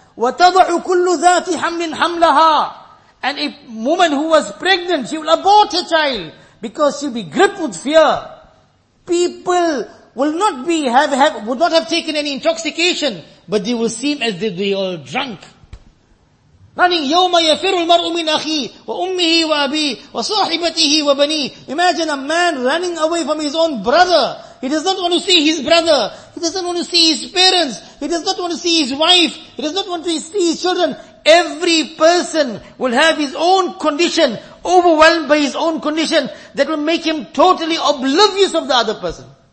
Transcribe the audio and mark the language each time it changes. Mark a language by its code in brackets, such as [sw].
[ar] وَتَضَعُ كُلُّ ذَاتِ حَمْلٍ حَمْلَهَا. [en] And a woman who was pregnant, she will abort her child because she'll be gripped with fear. People would not have taken any intoxication, but they will seem as if they all drunk. Running, [ar] يَوْمَ يَفِرُ الْمَرْءُ مِنْ أَخِيهِ وَأُمِّهِ وَأَبِيهِ وَصَاحِبَتِهِ وَبَنِيهِ. [en] Imagine a man running away from his own brother. He does not want to see his brother. He doesn't want to see his parents. He does not want to see his wife. He does not want to see his children. Every person will have his own condition, overwhelmed by his own condition, that will make him totally oblivious of the other person.